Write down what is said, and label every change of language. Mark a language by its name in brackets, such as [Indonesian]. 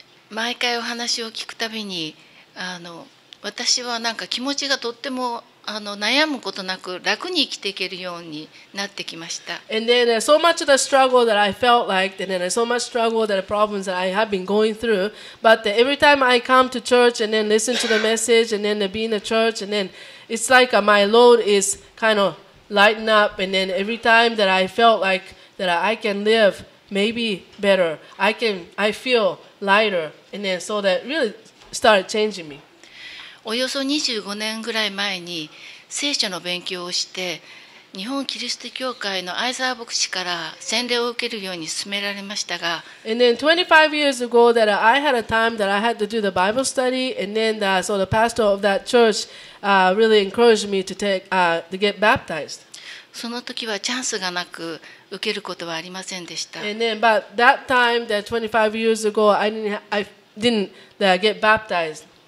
[Japanese] 毎回お話を聞くたびに私はなんか気持ちがとっても悩むことなく楽に生きていけるようになってきました。 [English] And then so much of the struggle that I felt like, and then so much struggle that the problems that I have been going through, but every time I come to church and then listen to the message and then be in the church and then it's like my load is kind of lighten up and then every time that I felt like that I can live maybe better, I feel lighter and then so that really started changing me. [Japanese] およそ25年ぐらい前に聖書の勉強をして日本キリスト教会の相沢牧師から洗礼を受けるように勧められましたが [English] And then 25 years ago that I had a time that I had to do the Bible study and then the, so the pastor of that church really encouraged me to take, to get baptized. [Japanese] その時はチャンスがなく受けることはありませんでした [English] And then but that time that 25 years ago I didn't get baptized.